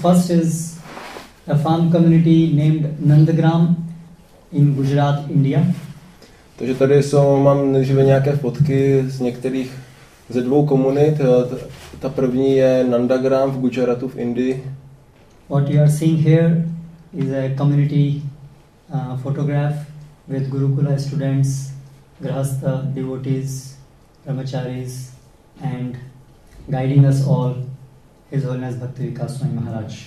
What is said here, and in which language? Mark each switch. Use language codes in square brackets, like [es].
[en] First is a farm community named Nandagram in Gujarat, India. [cs] Takže tady mám nejdříve nějaké fotky z některých ze dvou komunit. Ta první je Nandagram v Gujaratu v Indii. [en] What you are seeing here is a community photograph with Gurukula students, Grahastha devotees, Brahmacharis, and guiding us all, His Holiness Bhakti Vikas Swami Maharaj.